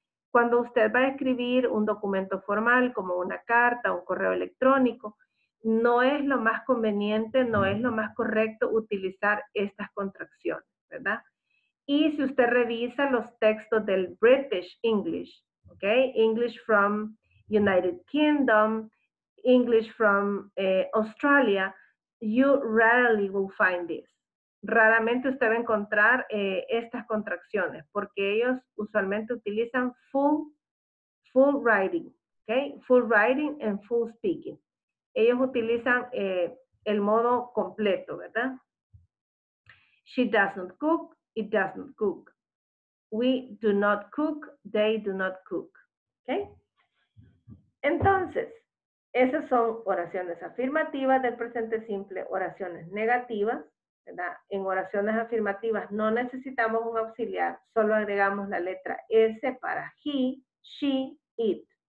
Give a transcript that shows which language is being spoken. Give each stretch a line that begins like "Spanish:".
Spanish: Cuando usted va a escribir un documento formal, como una carta, un correo electrónico, no es lo más conveniente, no es lo más correcto utilizar estas contracciones, ¿verdad? Y si usted revisa los textos del British English, ¿ok?
English: English from United Kingdom, English from Australia, you rarely will find this.
Spanish: Raramente usted va a encontrar estas contracciones porque ellos usualmente utilizan full writing, okay?
English: Full writing and full speaking.
Spanish: Ellos utilizan el modo completo, ¿verdad?
English: She does not cook, it does not cook. We do not cook, they do not cook. Okay?
Spanish: Entonces, esas son oraciones afirmativas del presente simple, oraciones negativas, ¿verdad? En oraciones afirmativas no necesitamos un auxiliar, solo agregamos la letra S para he, she, it.